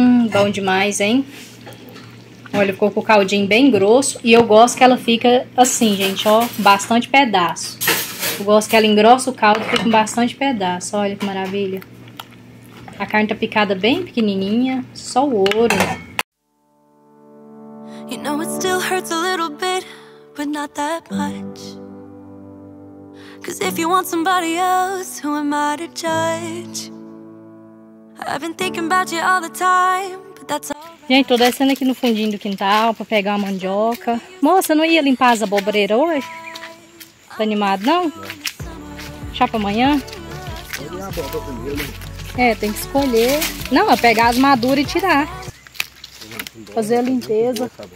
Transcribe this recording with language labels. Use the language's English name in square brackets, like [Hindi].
[Portuguese] Bom demais, hein? Olha, ficou com o caldinho bem grosso e eu gosto que ela fica assim, gente, ó, bastante pedaço. Eu gosto que ela engrossa o caldo e fica com bastante pedaço, olha que maravilha. A carne tá picada bem pequenininha, só o ouro, né? [English] You know it still hurts a little bit, but not that much. 'Cause if you want somebody else, who am I to judge? I've been thinking about you all the time, but that's all. [Portuguese] Gente, tô descendo aqui no fundinho do quintal pra pegar uma mandioca. Moça, não ia limpar as abobreiras hoje? Tá animado, não? Chá pra amanhã? É, tem que escolher. Não, é pegar as maduras e tirar. Fazer a limpeza.